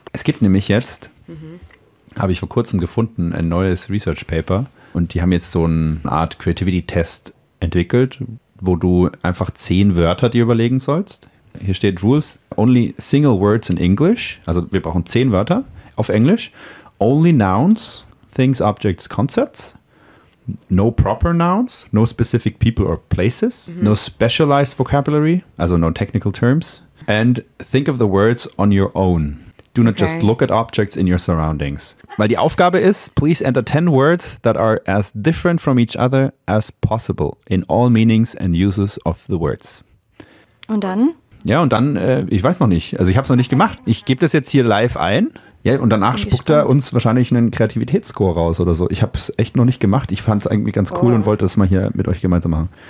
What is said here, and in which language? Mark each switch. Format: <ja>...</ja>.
<de>Es gibt nämlich jetzt, habe ich vor kurzem gefunden, ein neues Research Paper. Und die haben jetzt so eine Art Creativity-Test entwickelt, wo du einfach 10 Wörter dir überlegen sollst. Hier steht Rules, only single words in English. Also wir brauchen 10 Wörter auf Englisch.</de> <en>Only nouns, things, objects, concepts. No proper nouns, no specific people or places. Mhm. No specialized vocabulary, also no technical terms. And think of the words on your own. Do not just look at objects in your surroundings. Weil die Aufgabe ist, please enter 10 words that are as different from each other as possible in all meanings and uses of the words.</en> <de>Und dann? Ja, und dann, ich weiß noch nicht. Also ich habe es noch nicht gemacht. Ich gebe das jetzt hier live ein. Ja, und danach spuckt er uns wahrscheinlich einen Kreativitätsscore raus oder so. Ich habe es echt noch nicht gemacht. Ich fand es eigentlich ganz cool und wollte es mal hier mit euch gemeinsam machen.</de>